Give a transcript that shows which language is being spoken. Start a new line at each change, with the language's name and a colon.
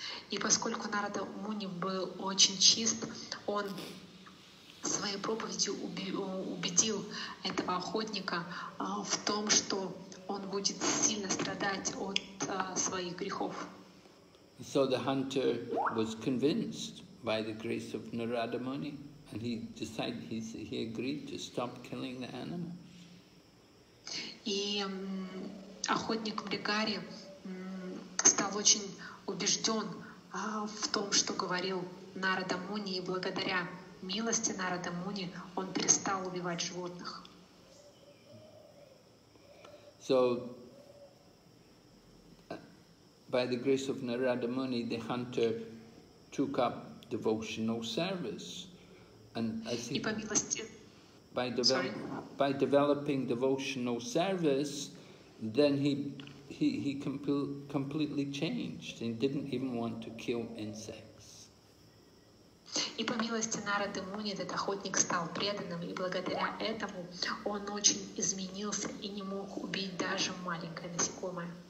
Russian: И поскольку Нарада Муни был очень чист, он своей проповедью убедил этого охотника в том, что он будет сильно страдать от своих грехов.
English: So the hunter was convinced by the grace of Narada Muni, and he agreed to stop killing the animals.
Russian: И охотник Маграри стал очень убежден в том, что говорил Нарада Муни, и благодаря милости Нарада Муни он перестал убивать животных.
English: So, by the grace of Narada Muni, the hunter took up devotional service, and as he by developing devotional service, then he completely changed and didn't even want to kill insects.
Russian: И по милости Нарады Муни этот охотник стал преданным, и благодаря этому он очень изменился и не мог убить даже маленькое насекомое.